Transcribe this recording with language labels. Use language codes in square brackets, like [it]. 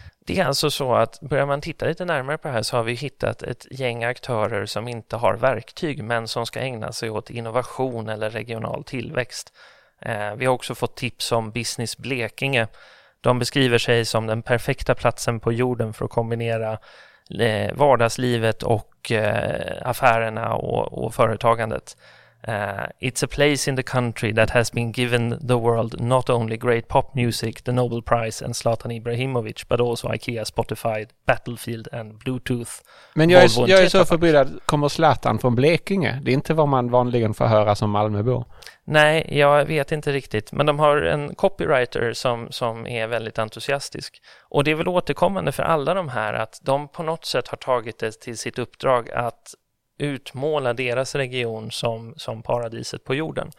[sv] Det är alltså så att börjar man titta lite närmare på det här så har vi hittat ett gäng aktörer som inte har verktyg men som ska ägna sig åt innovation eller regional tillväxt. Vi har också fått tips om Business Blekinge. De beskriver sig som den perfekta platsen på jorden för att kombinera vardagslivet och affärerna och företagandet. [en] It's a place in the country that has been given the world not only great pop music, the Nobel Prize and Zlatan Ibrahimovic, but also IKEA, Spotify, Battlefield and Bluetooth. [sv] Men jag är så förbryllad. Kommer Zlatan från Blekinge? Det är inte vad man vanligen får höra som Malmöbo. Nej, jag vet inte riktigt. Men de har en copywriter som är väldigt entusiastisk. Och det är väl återkommande för alla de här att de på något sätt har tagit det till sitt uppdrag att utmåla deras region som paradiset på jorden.